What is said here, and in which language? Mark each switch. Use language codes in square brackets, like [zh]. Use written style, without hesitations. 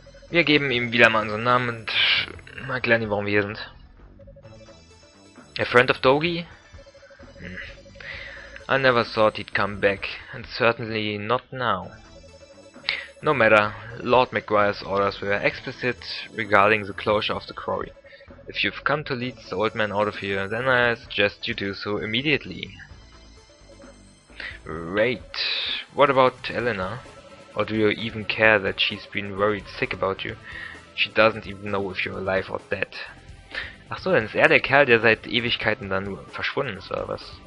[de] Wir geben ihm wieder mal unseren Namen und erklären ihm, warum wir hier sind. [en] A friend of Dogi? I never thought he'd come back, and certainly not now. No matter, Lord Maguire's orders were explicit regarding the closure of the quarry. If you've come to lead the old man out of here, then I suggest you do so immediately. Right. What about Elena? Or do you even care that she's been worried sick about you? She doesn't even know if you're alive or dead. [de] Ach so, dann ist er der Kerl, der seit Ewigkeiten dann verschwunden ist, oder was?